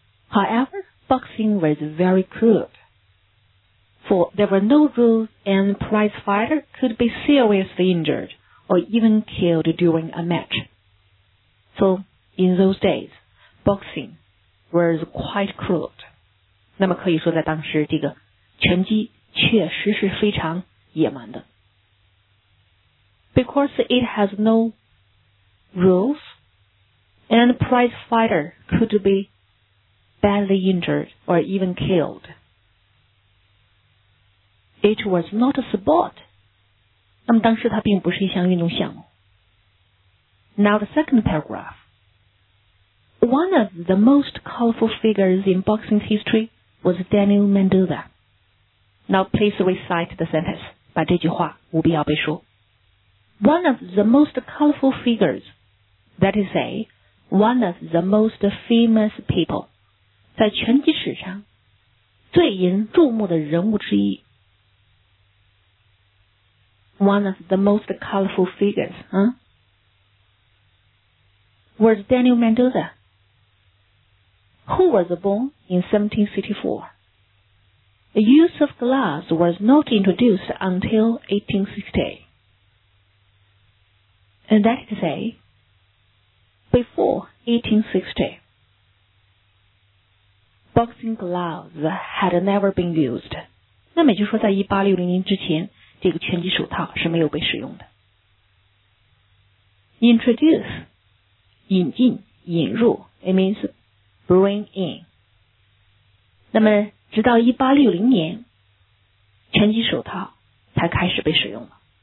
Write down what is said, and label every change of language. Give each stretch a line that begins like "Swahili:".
English: however boxing was very crudeFor there were no rules and prize fighter could be seriously injured or even killed during a match. So, in those days, boxing was quite crude.
Chinese: 那么可以说在当时这个拳击确实是非常野蛮的。
English: Because it has no rules and prize fighter could be badly injured or even killed. It was not a sport.
Chinese: 那么当时它并不是一项运动项目。
English: Now the second paragraph. One of the most colorful figures in boxing history was Daniel Mendoza. Now please recite the sentence.
Chinese: 把这句话务必要背熟。
English: One of the most colorful figures, that is a, one of the most famous people,
Chinese: 在拳击史上最引注目的人物之一
English: One of the most colorful figures, huh? Was Daniel Mendoza. who was born in 1764. The use of glass was not introduced until 1860. And that is to say, before 1860, boxing gloves had never been used.
Chinese: 那么也就是说在1860年之前，这个拳击手套是没有被使用的。
English: Introduce,
Chinese: 引进、引入
English: it means bring in.
Chinese: 那么直到1860年，拳击手套才开始被使用了。